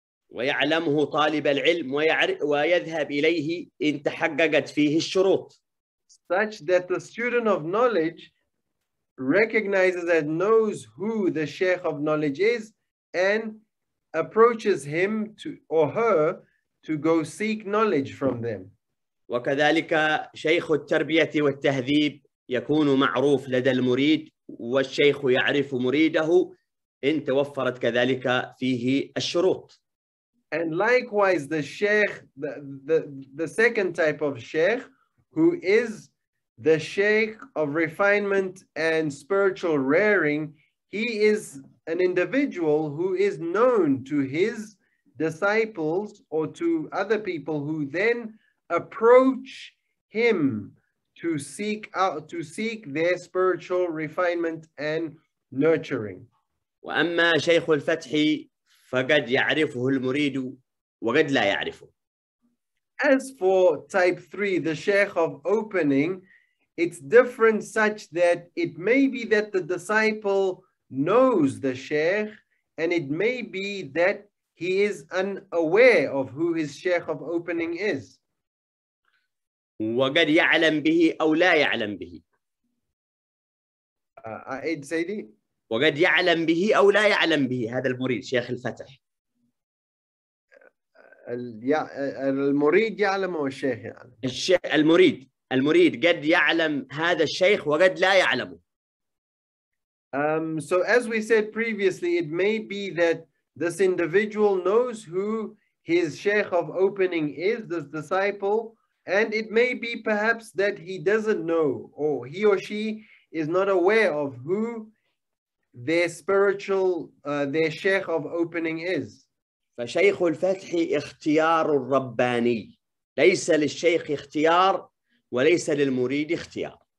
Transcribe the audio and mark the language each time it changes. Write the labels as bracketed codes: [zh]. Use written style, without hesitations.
[ar] ويعلمه طالب العلم ويذهب إليه إن تحققت فيه الشروط. [en] Such that the student of knowledge recognizes and knows who the Sheikh of knowledge is and approaches him to or her to go seek knowledge from them. [ar] وكذلك شيخ التربية والتهذيب يكون معروف لدى المريد والشيخ يعرف مريده إن توفرت كذلك فيه الشروط. [en] And likewise the Sheikh, the second type of Sheikh who is the Sheikh of refinement and spiritual rearing, he is an individual who is known to his disciples or to other people who then approach him to seek their spiritual refinement and nurturing. [ar] وأما شيخ الفتح فقد يعرفه المريد وقد لا يعرفه. [en] As for type three, the Sheikh of opening, it's different such that it may be that the disciple knows the Sheikh and it may be that he is unaware of who his Sheikh of opening is. [ar] وقد يعلم به أو لا يعلم به. أعيد سيدي. وقد يعلم به أو لا يعلم به هذا المريد شيخ الفتح. المريد يعلم أو الشيخ يعلم. المريد قد يعلم هذا الشيخ وقد لا يعلمه. [en] So as we said previously, it may be that this individual knows who his Sheikh of opening is, this disciple. And it may be perhaps that he doesn't know, or he or she is not aware of who their spiritual, their Sheikh of opening is. [ar] فشيخ الفتح اختيار رباني. ليس للشيخ اختيار وليس للمريد اختيار.